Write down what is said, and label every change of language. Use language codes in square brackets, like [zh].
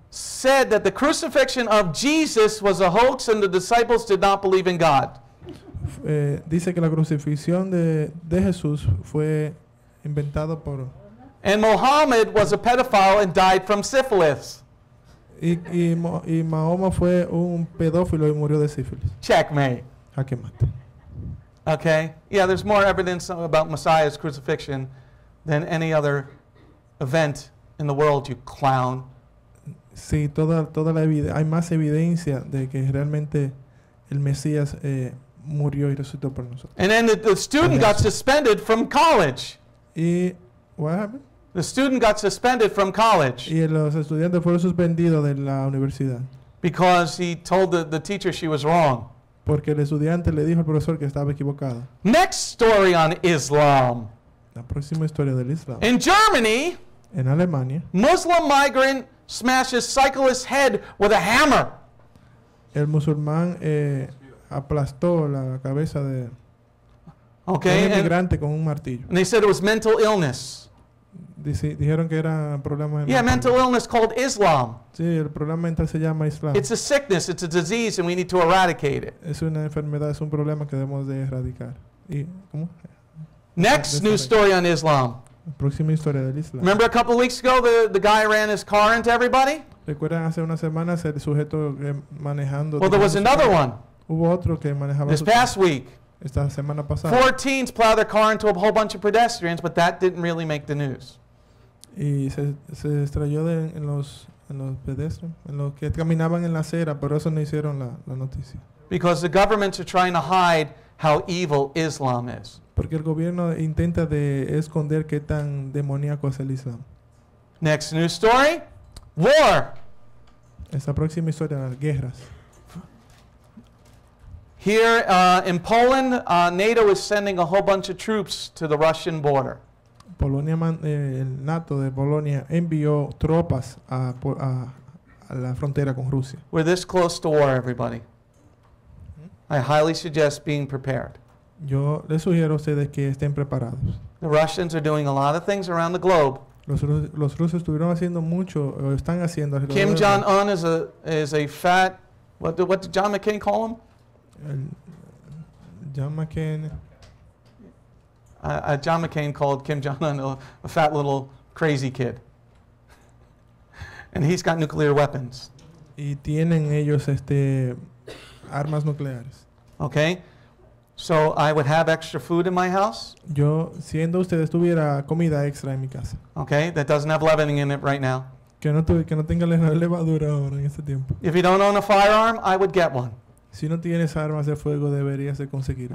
[en] Said that the crucifixion of Jesus was a hoax and the disciples did not believe in God. [es] Dice que la crucifixión de Jesús fue inventada por. [en] And Muhammad was a pedophile and died from syphilis. [es] Y Mahoma fue un pedófilo y murió de sífilis. [en] Checkmate. Okay. Yeah, there's more evidence about Messiah's crucifixion than any other event in the world, you clown. [es] Sí, toda la evidencia. Hay más evidencia de que realmente el Mesías murió y resucitó por nosotros. [en] And then the student got suspended from college. Y, what happened? The student got suspended from college. [es] Y los estudiantes fueron suspendidos de la universidad. [en] Because he told the teacher she was wrong. [es] Porque el estudiante le dijo al profesor que estaba equivocado. [en] Next story on Islam. [es] La próxima historia del Islam. [en] In Germany. [es] En Alemania. [en] Muslim migrant smashes cyclist's head with a hammer. [es] El musulmán aplastó la cabeza de [en] okay, [es] un inmigrante con un martillo. [en] And they said it was mental illness. [es] Dijeron que era problema. [en] Yeah, mental illness called Islam. [es] Sí, el problema mental se llama Islam. [en] It's a sickness, it's a disease, and we need to eradicate it. [es] Es una enfermedad, es un problema que debemos de erradicar. ¿Y cómo? [en] Next news story on Islam. [es] Próxima historia del Islam. [en] Remember a couple weeks ago the guy ran his car into everybody? [es] ¿Recuerdan hace unas semanas el sujeto manejando? [en] Well, there was another one. [es] Hubo otro que manejaba. [en] This past week. [es] Esta semana pasada. [en] Four teens plowed their car into a whole bunch of pedestrians, but that didn't really make the news. [es] Y se estrelló en los pedestrians, en los que caminaban en la acera, pero eso no hicieron la noticia. [en] Because the governments are trying to hide how evil Islam is. [es] Porque el gobierno intenta de esconder qué tan demoníaco es el Islam. [en] Next news story, war. [es] Esta próxima historia, las guerras. [en] Here in Poland, NATO is sending a whole bunch of troops to the Russian border. [es] Polonia, el NATO de Polonia envió tropas a la frontera con Rusia. [en] We're this close to war, everybody. I highly suggest being prepared. [es] Yo les sugiero a ustedes que estén preparados. [en] The Russians are doing a lot of things around the globe. [es] Los rusos estuvieron haciendo mucho, o están haciendo. [en] Kim Jong-un is a fat, what did John McCain call him? John McCain called Kim Jong-un a fat little crazy kid. And he's got nuclear weapons. [es] Y tienen ellos armas nucleares. [en] Okay. So I would have extra food in my house. [es] Yo, siendo ustedes, tuviera comida extra en mi casa. [en] Okay, that doesn't have leavening in it right now. [es] Que no tenga levadura ahora en este tiempo. [en] If you don't own a firearm, I would get one. [es] Si no tienes armas de fuego, deberías de conseguirlo.